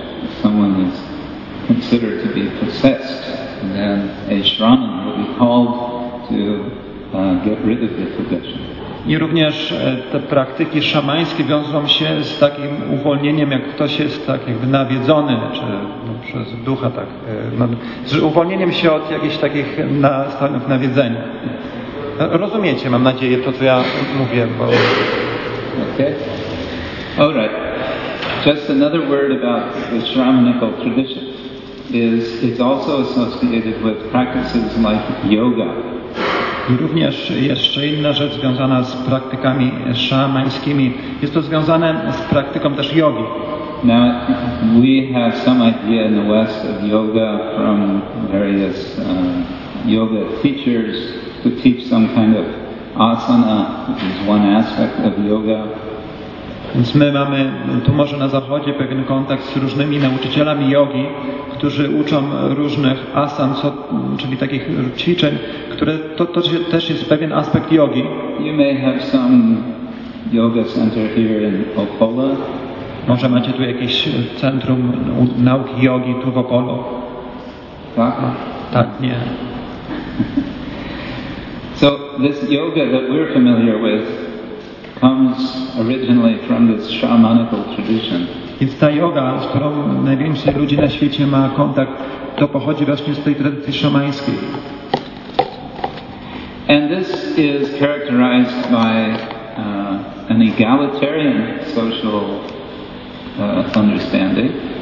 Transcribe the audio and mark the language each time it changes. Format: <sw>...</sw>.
<en>If someone is considered to be possessed, then a shraman will be called to get rid of the possession.</en> <pl>I również te praktyki szamańskie wiążą się z takim uwolnieniem, jak ktoś jest tak jakby nawiedzony, czy przez ducha tak, z uwolnieniem się od jakichś takich stanów nawiedzenia. Rozumiecie, mam nadzieję, to co ja mówię, bo...</pl> <en>Okay. All right. Just another word about the shamanical tradition is it's also associated with practices like yoga.</en> <pl>I również jeszcze inna rzecz związana z praktykami szamańskimi. Jest to związane z praktyką też jogi.</pl> <en>Now, we have some idea in the West of yoga from various yoga teachers who teach some kind of asana, which is one aspect of yoga.</en> <pl>Więc my mamy tu może na Zachodzie pewien kontakt z różnymi nauczycielami jogi, którzy uczą różnych asan, czyli takich ćwiczeń, które to też jest pewien aspekt jogi.</pl> <en>You may have some yoga center here in Opole.</en> <pl>Może macie tu jakieś centrum nauki jogi tu w Opolu? Tak. Tak, nie.</pl> <en>So this yoga that we're familiar with comes originally from this shamanical tradition.</en> <pl>Więc ta yoga, z którą najwięcej ludzi na świecie ma kontakt, to pochodzi właśnie z tej tradycji szamańskiej.</pl> <en>And this is characterized by an egalitarian social understanding.</en>